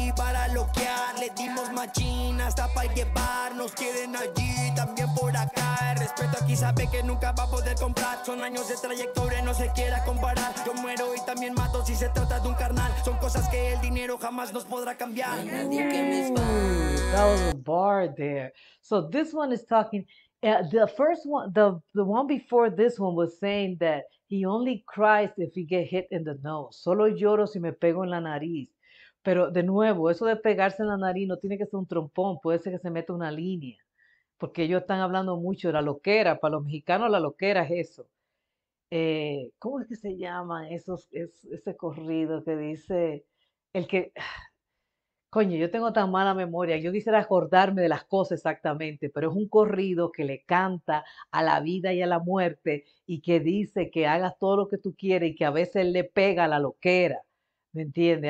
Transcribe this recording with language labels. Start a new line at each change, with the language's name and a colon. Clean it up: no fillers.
Spanish: Para loquear, le dimos machín hasta para llevar. Nos quieren allí, también por acá. El respeto aquí sabe que nunca va a poder comprar. Son años de trayectoria, no se quiera comparar. Yo muero y también mato si se trata de un carnal. Son cosas que el dinero jamás nos podrá cambiar.
English: That was a bar there. So this one is talking. The first one, the one before this one was saying that he only cries if he get hit in the nose.
Spanish: Solo lloro si me pego en la nariz. Pero de nuevo, eso de pegarse en la nariz no tiene que ser un trompón, puede ser que se meta una línea, porque ellos están hablando mucho de la loquera, para los mexicanos la loquera es eso. ¿Cómo es que se llama ese corrido que dice el que, coño, yo tengo tan mala memoria, yo quisiera acordarme de las cosas exactamente, pero es un corrido que le canta a la vida y a la muerte y que dice que hagas todo lo que tú quieres y que a veces él le pega a la loquera. ¿Me entiende?